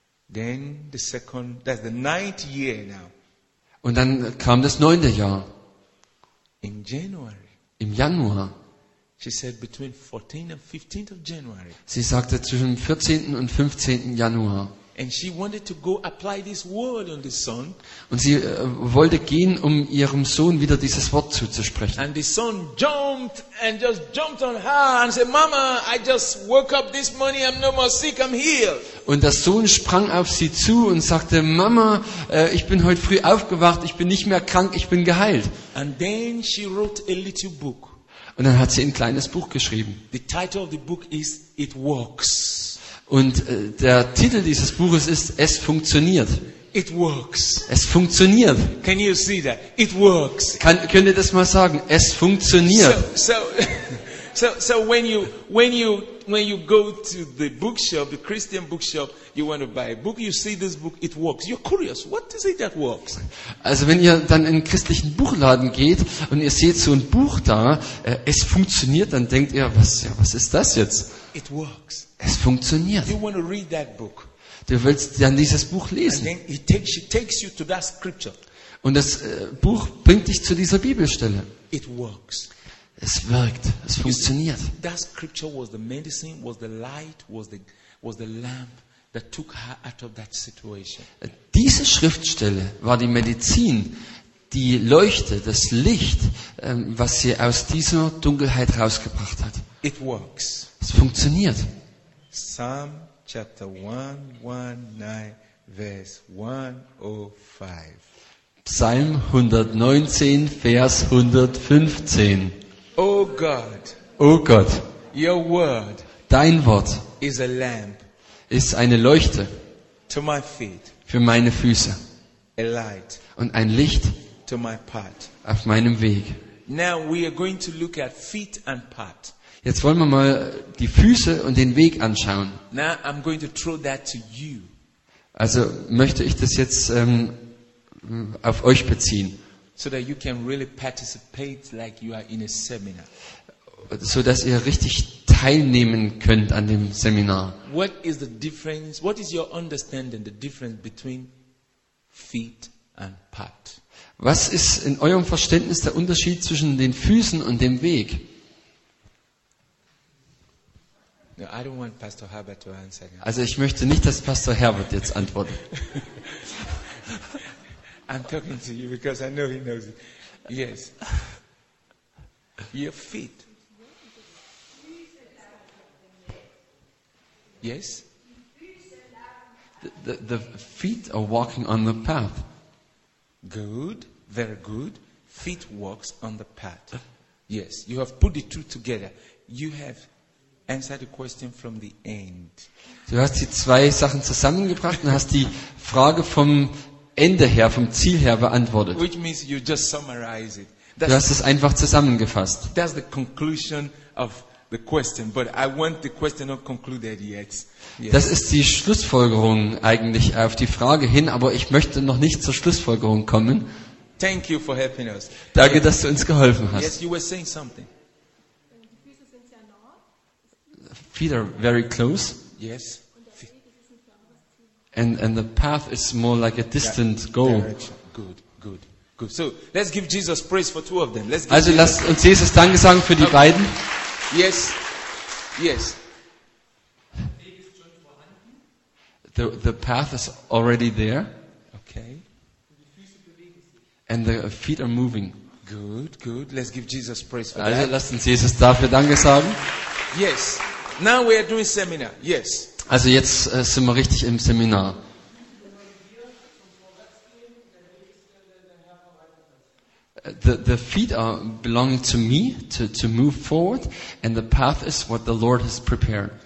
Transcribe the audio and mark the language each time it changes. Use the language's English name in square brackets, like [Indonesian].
[English] Then the second, that's the ninth year now. [German] Und dann kam das 9. Jahr. [English] In January. [German] Im Januar. [English] She said between 14th and 15th of January. [German] Sie sagte zwischen 14. und 15. Januar. [English] And she wanted to go apply this word on the son. [German] Und sie wollte gehen, um ihrem Sohn wieder dieses Wort zuzusprechen. [English] And the son jumped and just jumped on her and said, "Mama, I just woke up this morning. I'm no more sick. I'm healed." [German] Und der Sohn sprang auf sie zu und sagte, "Mama, ich bin heute früh aufgewacht. Ich bin nicht mehr krank. Ich bin geheilt." [English] And then she wrote a little book. [German] Und dann hat sie ein kleines Buch geschrieben. [English] The title of the book is "It Works." [German] Und der Titel dieses Buches ist "Es funktioniert." [English] It works. [German] Es funktioniert. [English] Can you see that? It works. [German] Könnt ihr das mal sagen? Es funktioniert. [English] So when you go to the bookshop, the Christian bookshop, you want to buy a book, you see this book, it works. You're curious. What is it that works? [German] Also wenn ihr dann in einen christlichen Buchladen geht und ihr seht so ein Buch da, es funktioniert, dann denkt ihr, was ist das jetzt? [English] It works. [German] Es funktioniert. [English] You want to read that book. [German] Du willst dann dieses Buch lesen. [English] And then it takes you to that scripture. [German] Und das Buch bringt dich zu dieser Bibelstelle. [English] It works. [German] Es wirkt. Es funktioniert. [English] That scripture was the medicine, was the light, was the lamp that took her out of that situation. [German] Diese Schriftstelle war die Medizin, die Leuchte, das Licht, was sie aus dieser Dunkelheit rausgebracht hat. [English] It works. [German] Es funktioniert. [English] Psalm chapter 119 verse 105. [German] Psalm 119 Vers 115. [English] Oh God. [German] Oh Gott. [English] Your word. [German] Dein Wort. [English] Is a lamp. [German] Ist eine Leuchte. [English] To my feet. [German] Für meine Füße. [English] A light. [German] Und ein Licht. [English] To my path. [German] Auf meinem Weg. [English] Now we are going to look at feet and path. [German] Jetzt wollen wir mal die Füße und den Weg anschauen. [English] Now I'm going to throw that to you. [German] Also möchte ich das jetzt auf euch beziehen. [English] So that you can really participate like you are in a seminar. [German] So dass ihr richtig teilnehmen könnt an dem Seminar. [English] What is the difference? What is your understanding the difference between feet and path? [German] Was ist in eurem Verständnis der Unterschied zwischen den Füßen und dem Weg? [English] No, I don't want Pastor Herbert to answer that. [German] Also ich möchte nicht, dass Pastor Herbert jetzt antwortet. [English] I'm talking to you because I know he knows it. Yes. Your feet. Yes. The feet are walking on the path. Good. Very good. feet walks on the path. Yes, you have put the two together. You have answered the question from the end. [German] Du hast die zwei Sachen zusammengebracht und hast die Frage vom Ende her, vom Ziel her beantwortet. [English] Which means you just summarize it. [German] Du hast es einfach zusammengefasst. [English] That's the conclusion of the question, but I want the question not concluded yet. Yes. [German] Das ist die Schlussfolgerung eigentlich auf die Frage hin, aber ich möchte noch nicht zur Schlussfolgerung kommen. [English] Thank you for helping us. [German] Danke, dass du uns geholfen hast. [English] Yes, you were saying something. Feet are very close. Yes. And the path is more like a distant goal. Good, good, good. So let's give Jesus praise for two of them. Let's give [German] also [English] Jesus. [German] Lasst uns Jesus Danke sagen für die beiden. [English] Yes, yes. The path is already there. Okay. And the feet are moving. Good, good. Let's give Jesus praise for [German] also [English] that. [German] Lasst uns Jesus dafür Danke sagen. [English] Yes. Now we are doing seminar. Yes. [German] Also jetzt sind wir richtig im Seminar. [English] The feet are belonging to me to move forward, and the path is what the Lord has prepared.